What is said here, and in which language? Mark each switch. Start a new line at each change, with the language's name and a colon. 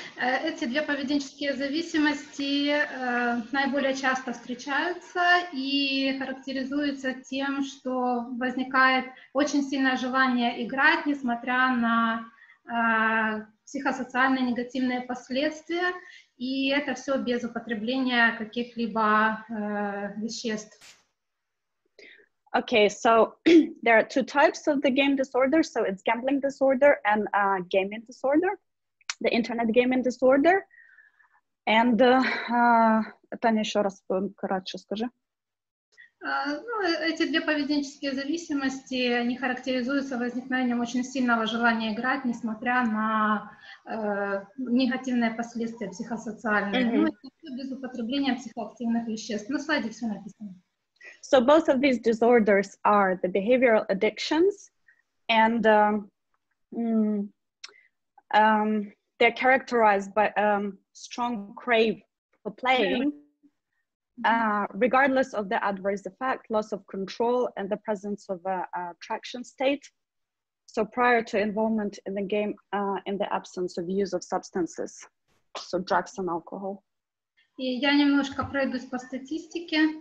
Russian: Эти две поведенческие зависимости наиболее часто встречаются и характеризуются тем, что возникает очень сильное желание играть, несмотря на психосоциальные негативные последствия, и это все без употребления каких-либо веществ.
English: Okay, so there are two types of the game disorder. So it's gambling disorder and gaming disorder, the internet gaming disorder.
Russian: And Таня, еще раз кратче скажи. Эти две поведенческие зависимости, они характеризуются возникновением очень сильного желания играть, несмотря на негативные последствия психосоциальные. Mm-hmm. Ну, без употребления психоактивных веществ. На слайде все написано.
English: So both of these disorders are the behavioral addictions, and they're characterized by strong crave for playing, regardless of the adverse effect, loss of control, and the presence of an attraction state. So prior to involvement in the game, in the absence of use of substances, so drugs and alcohol.
Russian: И я немножко пройдусь по статистике.